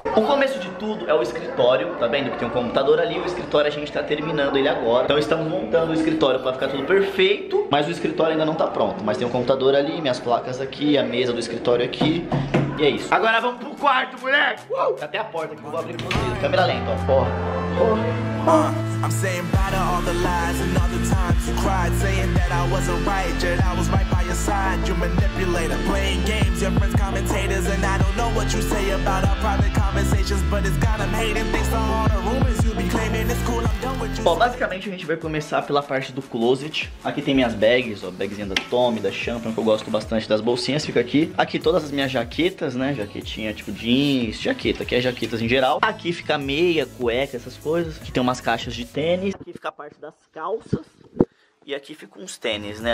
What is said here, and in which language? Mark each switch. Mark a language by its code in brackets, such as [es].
[pt] O começo de tudo é o escritório, tá vendo? Que tem um computador ali, o escritório a gente tá terminando ele agora. Então estamos montando o escritório pra ficar tudo perfeito, mas o escritório ainda não tá pronto. Mas tem um computador ali, minhas placas aqui, a mesa do escritório aqui, e é isso. Agora vamos pro quarto, moleque! Tá até a porta que eu vou abrir pra vocês. Câmera lenta, ó. Ó. [en] I'm saying bye to all the lies and all the times you cried, saying that I wasn't right, yet I was right by your side. You manipulator, playing games, your friends commentators, and I don't know what you say about our private conversations, but it's got them hating things on all the rumors you be claiming. It's cool, I'm done with you. [pt] Bom, basicamente a gente vai começar pela parte do closet. Aqui tem minhas bags, ó, bagzinha da Tommy, da Champion, que eu gosto bastante, das bolsinhas, fica aqui. Aqui todas as minhas jaquetas, né, jaquetinha tipo jeans, jaqueta, aqui é jaquetas em geral. Aqui fica meia, cueca, essas coisas. Aqui tem umas caixas de tênis, aqui fica a parte das calças e aqui fica uns tênis, né?